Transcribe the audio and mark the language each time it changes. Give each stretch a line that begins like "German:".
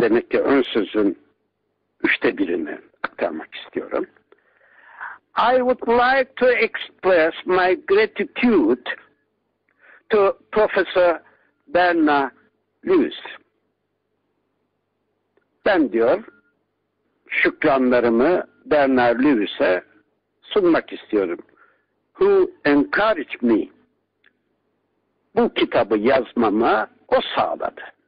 Turkish: Demek ki ön sözün üçte birini aktarmak istiyorum.
English: I would like to express my gratitude to Professor Berna Luz.
Turkish: Ben diyor, şükranlarımı Berna Luz'e sunmak istiyorum.
English: Who encouraged me?
Turkish: Bu kitabı yazmama o sağladı.